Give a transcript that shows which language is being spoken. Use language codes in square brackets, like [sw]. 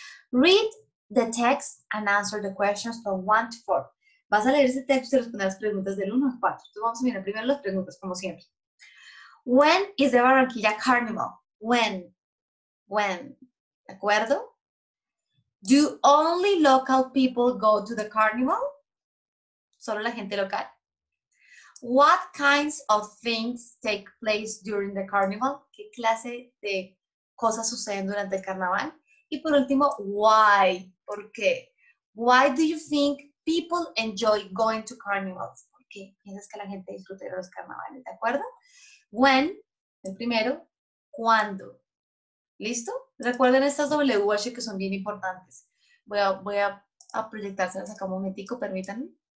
[en] Read the text and answer the questions from 1 to 4. [es] Vas a leer ese texto y responder las preguntas del 1 al 4. Entonces, vamos a mirar primero las preguntas, como siempre. [en] When is the Barranquilla Carnival? When? ¿De acuerdo? Do only local people go to the carnival? ¿Solo la gente local? What kinds of things take place during the carnival? [es] ¿Qué clase de cosas suceden durante el carnaval? Y por último, why? ¿Por qué? [en] Why do you think people enjoy going to carnivals? [es] ¿Por qué piensas que la gente disfruta de los carnavales? ¿De acuerdo? When, el primero. ¿Cuándo? ¿Listo? Recuerden estas WH que son bien importantes. Voy a proyectárselas acá un momentico, permítanme.